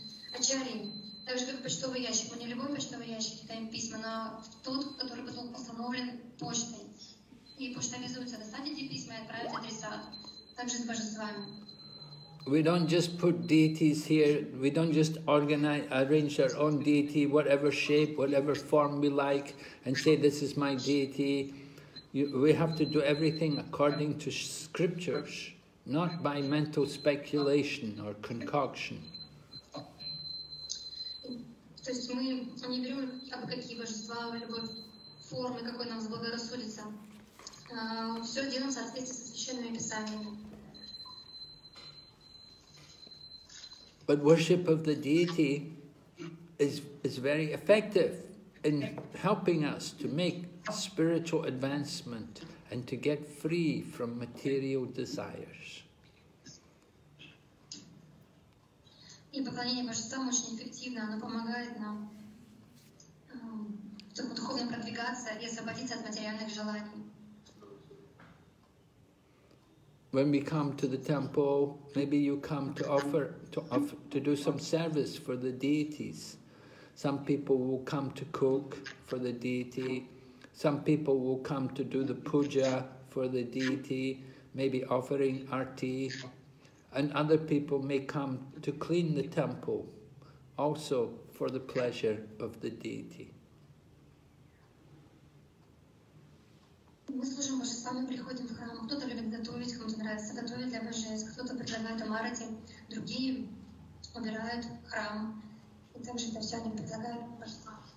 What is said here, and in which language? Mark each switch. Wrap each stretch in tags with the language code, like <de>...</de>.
<ru>Так же, как почтовый ящик. Мы не любой почтовый ящик кидаем письма, но тот, который был установлен почтой. И почта обязуется достать эти письма и отправить адресату. Так же с божествами.</ru> <en>We don't just put deities here, we don't just organize, arrange our own deity, whatever shape, whatever form we like, and say, this is my deity. We have to do everything according to scriptures, not by mental speculation or concoction.</en> <ru>То есть мы не берем об какие божества, любой формы, какой нам заблагорассудится. Все делаем в соответствии со священными писаниями.</ru> <en>But worship of the deity is very effective in helping us to make spiritual advancement and to get free from material desires.</en> <ru>И поклонение божествам очень эффективно, оно помогает нам духовно продвигаться и освободиться от материальных желаний.</ru> <en>When we come to the temple, maybe you come to do some service for the deities. Some people will come to cook for the deity. Some people will come to do the puja for the deity, maybe offering arti. And other people may come to clean the temple, also for the pleasure of the deity.</en> <ru>Мы служим божествам, мы приходим в храм. Кто-то любит готовить, кому-то нравится готовить для божеств. Кто-то предлагает омарати, другие убирают храм. И также это все они предлагают божествам.</ru>